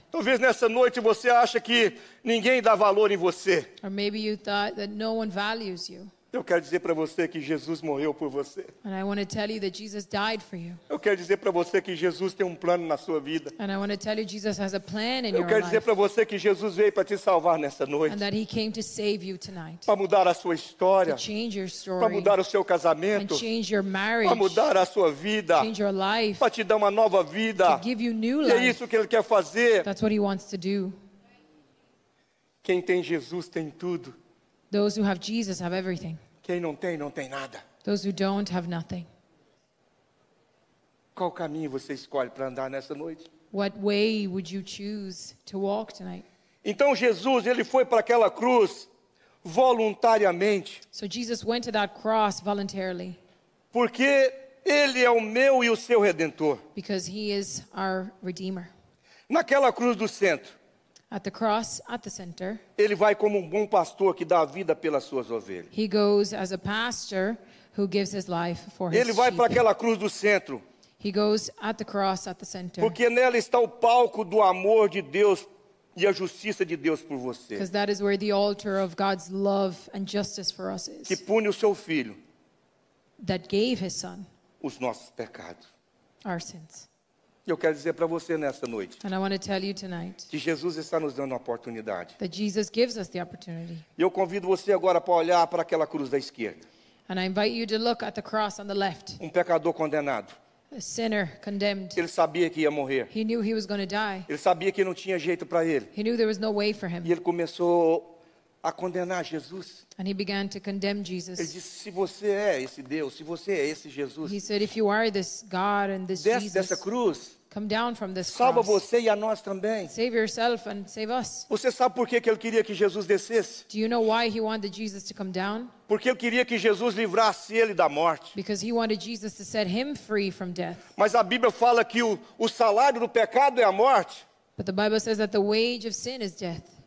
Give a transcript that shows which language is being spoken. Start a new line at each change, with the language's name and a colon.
Portuguese: Talvez nessa noite você acha que ninguém dá valor em você.
English: Or maybe you thought that no one values you.
Portuguese: Eu quero dizer para você que Jesus morreu por você.
English: And I want to tell you that Jesus died for you.
Portuguese: Eu quero dizer para você que Jesus tem um plano na sua vida.
English: And I want to tell you Jesus has a plan in your life.
Portuguese: Eu quero dizer para você que Jesus veio para te salvar nessa noite.
English: And that he came to save you tonight.
Portuguese: Para mudar a sua história.
English: To change your story.
Portuguese: Para mudar o seu casamento.
English: And change your marriage.
Portuguese: Para mudar a sua vida.
English: Change your life.
Portuguese: Para te dar uma nova vida.
English: To give you new life.
Portuguese: E é isso que ele quer fazer.
English: That's what he wants to do.
Portuguese: Quem tem Jesus tem tudo.
English: Those who have Jesus have everything.
Portuguese: Quem não tem nada.
English: Those who don't have nothing.
Portuguese: Qual caminho você escolhe para andar nessa noite?
English: What way would you choose to walk tonight?
Portuguese: Então Jesus, ele foi para aquela cruz voluntariamente.
English: So Jesus went to that cross voluntarily.
Portuguese: Porque ele é o meu e o seu redentor.
English: Because he is our redeemer.
Portuguese: Naquela cruz do centro.
English: At the cross, at the center.
Portuguese: Ele vai como um bom pastor que dá a vida pelas suas ovelhas.
English: He goes as a pastor who gives his life for his sheep.
Portuguese: Ele vai para aquela cruz do centro.
English: He goes at the cross, at the center.
Portuguese: Porque nela está o palco do amor de Deus e a justiça de Deus por você.
English: Because that is where the altar of God's love and justice for us is.
Portuguese: Que pune o seu filho.
English: That gave his son.
Portuguese: Os nossos pecados.
English: Our sins.
Portuguese: E eu quero dizer para você nessa noite.
English: And I want to tell you tonight.
Portuguese: Que Jesus está nos dando uma oportunidade.
English: That Jesus gives us the opportunity.
Portuguese: E eu convido você agora para olhar para aquela cruz da esquerda.
English: And I invite you to look at the cross on the left.
Portuguese: Um pecador condenado.
English: A sinner condemned.
Portuguese: Ele sabia que ia morrer.
English: He knew he was going to die.
Portuguese: Ele sabia que não tinha jeito para ele.
English: He knew there was no way for him.
Portuguese: E ele começou a condenar Jesus.
English: And he began to condemn Jesus.
Portuguese: Ele disse, se você é esse Deus, se você é esse Jesus.
English: He said, if you are this God and this
Portuguese: desce
English: Jesus.
Portuguese: Dessa cruz.
English: Come down from this
Portuguese: salva
English: cross.
Portuguese: Salva você e a nós também.
English: Save yourself and save us.
Portuguese: Você sabe por que ele queria que Jesus descesse?
English: Do you know why he wanted Jesus to come down?
Portuguese: Porque ele queria que Jesus livrasse ele da morte.
English: Because he wanted Jesus to set him free from death.
Portuguese: Mas a Bíblia fala que o salário do pecado é a morte.
English: But the Bible says that the wage of sin is death.